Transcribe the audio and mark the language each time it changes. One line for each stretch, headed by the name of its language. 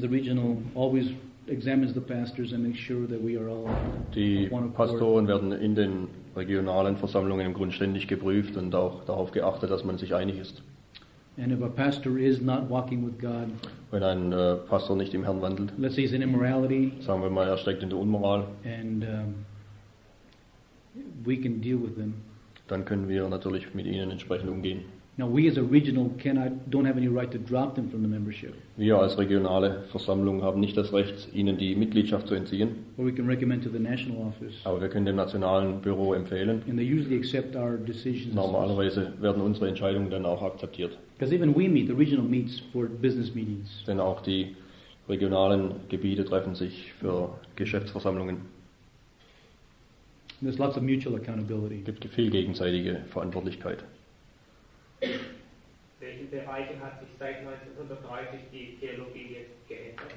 English: The regional always examines the pastors and makes sure that we are all.
German: Die Pastoren werden in den regionalen Versammlungen im Grunde ständig geprüft und auch darauf geachtet, dass man sich einig ist.
English: And if a pastor is not walking with God.
German: Wenn ein Pastor nicht im Herrn wandelt.
English: Let's say he's in immorality.
German: Sagen wir mal, er steckt in der Unmoral.
English: And we can deal with them.
German: Dann können wir natürlich mit ihnen entsprechend umgehen.
English: Now we as a regional don't have any right to drop them from the membership.
German: Wir als regionale Versammlung haben nicht das Recht, ihnen die Mitgliedschaft zu entziehen.
English: Or we can recommend to the national office.
German: Aber wir können dem nationalen Büro empfehlen.
English: And they usually accept our decisions.
German: Normalerweise werden unsere Entscheidungen dann auch akzeptiert.
English: Because even we meet, the regional meets for business meetings.
German: Denn auch die regionalen Gebiete treffen sich für Geschäftsversammlungen.
English: There's lots of mutual accountability.
German: Gibt viel gegenseitige Verantwortlichkeit. Welche Bereiche hat sich seit 1930 die Theologie jetzt geändert?